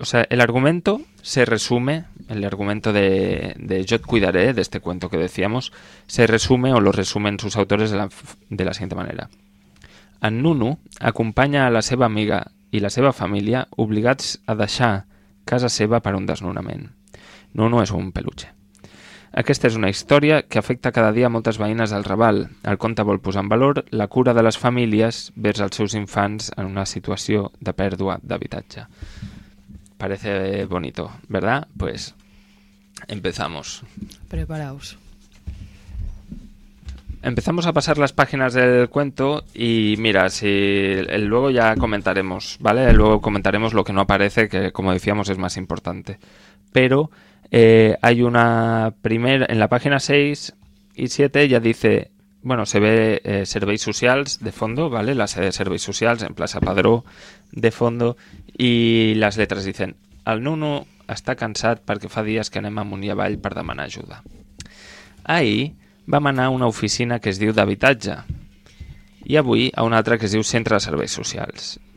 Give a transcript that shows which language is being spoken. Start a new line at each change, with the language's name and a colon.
Spanish: El argumento se resume, el argumento de Yo te cuidaré, de este cuento que decíamos, se resume o lo resumen sus autores de la siguiente manera.
Catalan: En Nunu acompanya a la seva amiga i la seva família obligats a deixar casa seva per un desnonament. Nunu és un peluche. Aquesta és una història que afecta cada dia moltes veïnes del Raval. El conte vol posar en valor la cura de les famílies vers els seus infants en una situació de pèrdua d'habitatge.
Spanish: Parece bonito, ¿verdad? Pues empezamos. Preparaos. Empezamos a pasar las páginas del cuento y mira, si luego ya comentaremos, ¿vale? Luego comentaremos lo que no aparece, que como decíamos es más importante. Pero hay una primera, en la página 6 y 7 ya dice, bueno, se ve Serveis Socials de fondo, ¿vale? La sede de Serveis Socials en Plaça Padró de fondo.
Catalan: I les lletres diuen, el Nuno està cansat perquè fa dies que anem amunt i avall per demanar ajuda. Ahir vam anar a una oficina que es diu d'habitatge i avui a una altra que es diu Centre de Serveis Socials.